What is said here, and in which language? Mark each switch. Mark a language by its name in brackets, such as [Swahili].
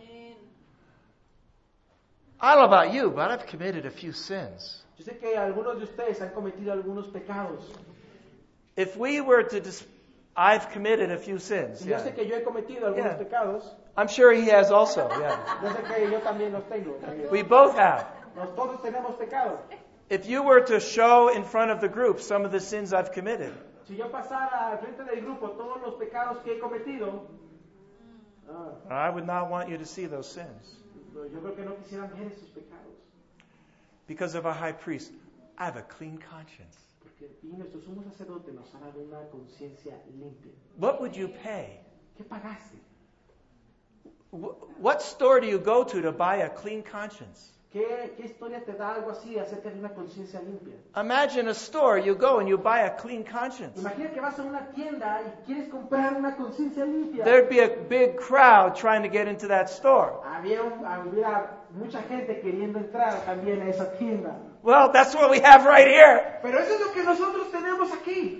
[English] Amen. I don't know about you, but I've committed a few sins. [Spanish] Yo sé que algunos de ustedes han cometido algunos pecados. [English] If we were to I've committed a few sins. [Spanish] Yo sé que yo he cometido algunos pecados. [English] I'm sure he has also, yeah. [Spanish] Yo sé que yo también los tengo. [English] We both have. [Spanish] Nos todos tenemos pecados. [English] If you were to show in front of the group some of the sins I've committed. [Spanish] Si yo pasara al frente del grupo todos los pecados que he cometido. [English] I would not want you to see those sins. [Spanish] Yo creo que no quisieran ver esos pecados. [English] Because of our high priest, I have a clean conscience. [Spanish] Porque nuestro sumo sacerdote nos ha dado una conciencia limpia. [English] What would you pay? [Spanish] ¿Qué pagaste? [English] What store do you go to buy a clean conscience? [Spanish] ¿Qué historia te da algo así acerca de una conciencia limpia? [English] Imagine a store you go and you buy a clean conscience. [Spanish] Imagina que vas a una tienda y quieres comprar una conciencia limpia. [English] There'd be a big crowd trying to get into that store. [Spanish] Había mucha gente queriendo entrar también a esa tienda. [English] Well, that's what we have right here. [Spanish] Pero eso es lo que nosotros tenemos aquí.